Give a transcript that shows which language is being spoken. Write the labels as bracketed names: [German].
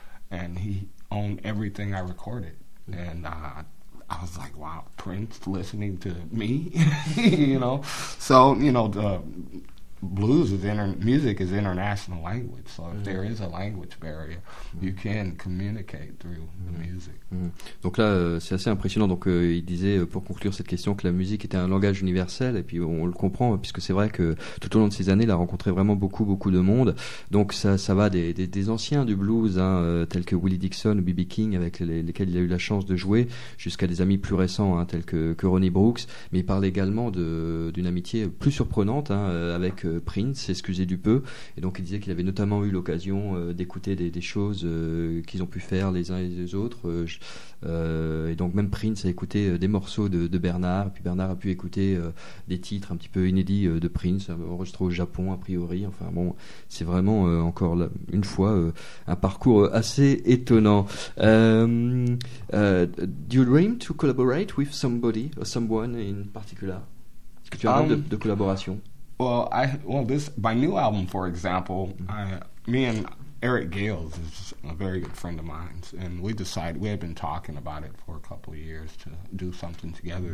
[English] And he owned everything I recorded, and I was like, wow, Prince listening to me, you know. So, you know, the blues is music is international language, so if there is a language barrier, you can communicate through the music. [French] Donc là, c'est assez impressionnant. Donc il disait, pour conclure cette question, que la musique était un langage universel, et puis on le comprend, puisque c'est vrai que tout au long de ces années, il a rencontré vraiment beaucoup, beaucoup de monde. Donc ça va des anciens du blues, hein, tels que Willie Dixon ou B.B. King, avec lesquels il a eu la chance de jouer, jusqu'à des amis plus récents, hein, tels que Ronnie Brooks. Mais il parle également d'une amitié plus surprenante, hein, avec Prince, excusez du peu, et donc il disait qu'il avait notamment eu l'occasion d'écouter des choses qu'ils ont pu faire les uns et les autres, et donc même Prince a écouté des morceaux de Bernard, et puis Bernard a pu écouter des titres un petit peu inédits de Prince, enregistrés au Japon a priori. Enfin bon, c'est vraiment encore une fois un parcours assez étonnant. [English] Do you dream to collaborate with somebody or someone in particular? [French] Est-ce que tu as rêvé de collaboration? [English] My new album, for example, me and Eric Gales is a very good friend of mine, and we had been talking about it for a couple of years to do something together.